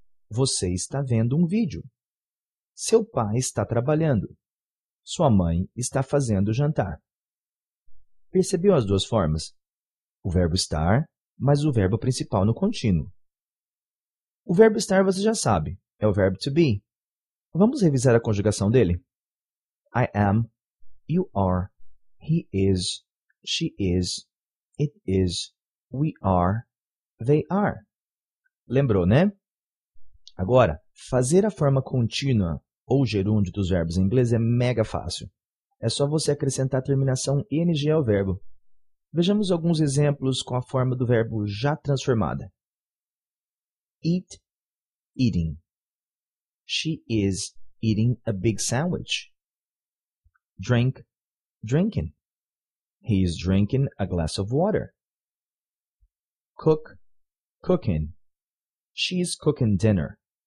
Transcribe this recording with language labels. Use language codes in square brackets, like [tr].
[pt] Você está vendo um vídeo. Seu pai está trabalhando. Sua mãe está fazendo o jantar. Percebeu as duas formas? O verbo estar, mas o verbo principal no contínuo. O verbo estar você já sabe, é o verbo to be. Vamos revisar a conjugação dele? [en] I am, you are, he is, she is, it is, we are, they are. [pt] Lembrou, né? Agora, fazer a forma contínua ou gerúndio dos verbos em inglês é mega fácil. É só você acrescentar a terminação ing ao verbo. Vejamos alguns exemplos com a forma do verbo já transformada. [en] Eat, eating. She is eating a big sandwich. Drink, drinking. He is drinking a glass of water. Cook, cooking. She is cooking dinner.